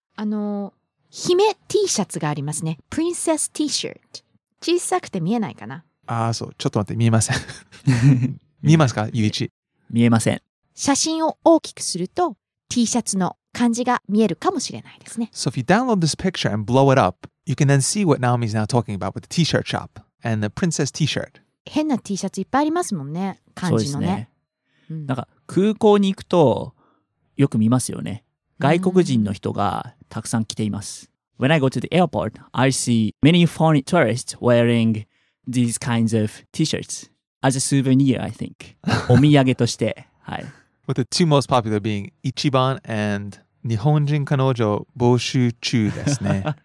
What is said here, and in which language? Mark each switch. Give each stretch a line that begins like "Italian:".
Japanese: 姫 T シャツがありますね。
English: Princess T-shirt。
Japanese: 小さくて見えないかな? ああ、そう。ちょっと待って。見えません。見えますか、ゆういち。見えません。写真を大きくすると、T シャツの感じが見えるかもしれないですね。
English: So if you download this picture and blow it up, you can then see what Naomi's now talking about with the T-shirt shop and the princess T-shirt.
Japanese: 変な T シャツいっぱいありますもんね。感じのね。そうですね。なんか空港に行くと、よく見ますよね。外国人の人がたくさん来ています。
English: When I go to the airport, I see many foreign tourists wearing... These kinds of T-shirts as a souvenir, I think.
Japanese: お土産として、はい。
English: With the two most popular being 一番 and
Japanese: 日本人彼女募集中ですね。